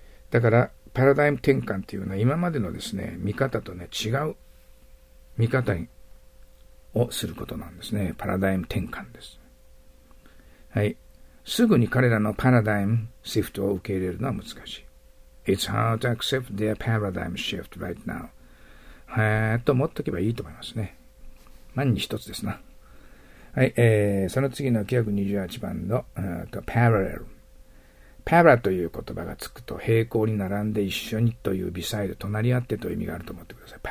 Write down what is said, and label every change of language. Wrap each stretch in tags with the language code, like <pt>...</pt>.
<ja>だからパラダイム転換というのは今までのですね、見方とね、違う見方をすることなんですね。パラダイム転換です。はい。すぐに彼らのパラダイムシフトを受け入れるのは難しい。</ja> <en>It's hard to accept their paradigm shift right now.</en> <ja>はーっと持っとけばいいと思いますね。万に一つですな。はい、その次の928番の、parallel。 para という言葉がつくと、平行に並んで一緒にという微細で隣り合ってという意味があると思ってください。</ja>